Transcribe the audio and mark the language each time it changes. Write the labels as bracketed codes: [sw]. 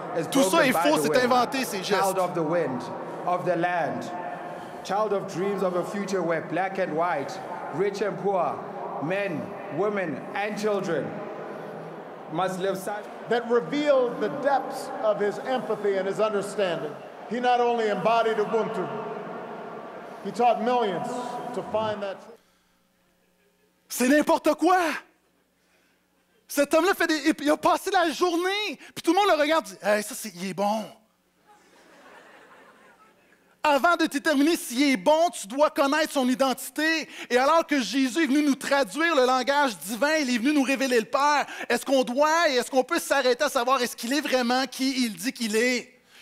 [fr] Tout ça est faux, c'est inventé, ces gestes. [en] Child of the wind, of the land. Child of dreams of a future where black and white, rich and poor, men, women and children must live side. That revealed the depths of his empathy and his understanding. He not only embodied Ubuntu, he taught millions to find that. [fr] C'est n'importe quoi! Cet homme-là fait des. Il a passé la journée, puis tout le monde le regarde et dit: hey, ça, c'est... il est bon. Avant de déterminer s'il est bon, tu dois connaître son identité. Et alors que Jésus est venu nous traduire le langage divin, il est venu nous révéler le Père, est-ce qu'on doit et est-ce qu'on peut s'arrêter à savoir est-ce qu'il est vraiment qui il dit qu'il est?